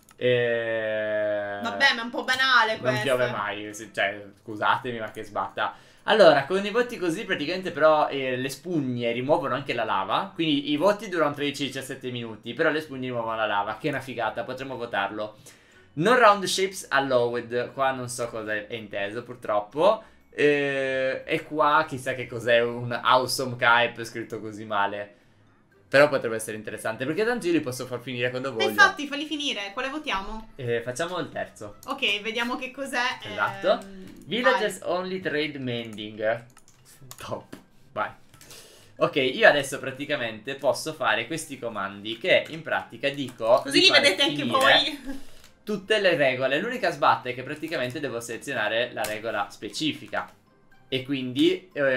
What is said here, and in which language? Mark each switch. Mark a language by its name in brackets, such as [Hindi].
[Italian] Vabbè, ma è un po' banale questo. Non piove mai, cioè, scusatemi, ma che sbatta. Allora, con i voti così, praticamente però le spugne rimuovono anche la lava. Quindi i voti durano 13-17 minuti, però le spugne rimuovono la lava. Che è una figata, potremmo votarlo. [English] No round shapes allowed. [Italian] Qua non so cosa è inteso, purtroppo. E qua chissà che cos'è un awesome kaip scritto così male. Però potrebbe essere interessante, perché tanto io li posso far finire quando voglio. Infatti, falli finire. Quale votiamo? Facciamo il terzo. Ok, vediamo che cos'è. Esatto. [English] Villagers only trade mending. [Italian] Top. Vai. Ok, io adesso praticamente posso fare questi comandi, che in pratica dico... Così li vedete anche voi. Tutte le regole. L'unica sbatta è che praticamente devo selezionare la regola specifica. E quindi...